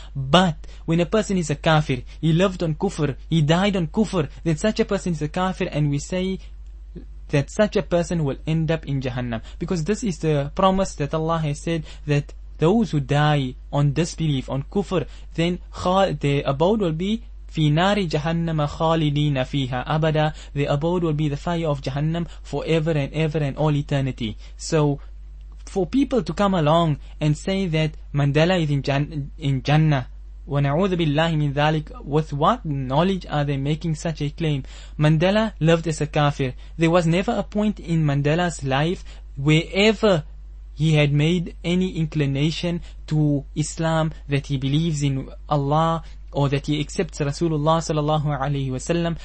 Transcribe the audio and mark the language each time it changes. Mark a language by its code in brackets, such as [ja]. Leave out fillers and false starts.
[en] But when a person is a kafir, he lived on kufr, he died on kufr, then such a person is a kafir, and we say that such a person will end up in Jahannam. Because this is the promise that Allah has said, that those who die on disbelief, on kufr, then their abode will be [ar] في نار جهنم خالدين فيها أبدا. [en] The abode will be the fire of Jahannam forever and ever and all eternity. So for people to come along and say that Mandela is in Jannah, [ar] وَنَعُوذُ بِاللَّهِ مِنْ ذَلِكَ, [en] with what knowledge are they making such a claim? Mandela lived as a kafir. There was never a point in Mandela's life wherever he had made any inclination to Islam that he believes in Allah or that he accepts Rasulullah sallallahu alayhi wa sallam.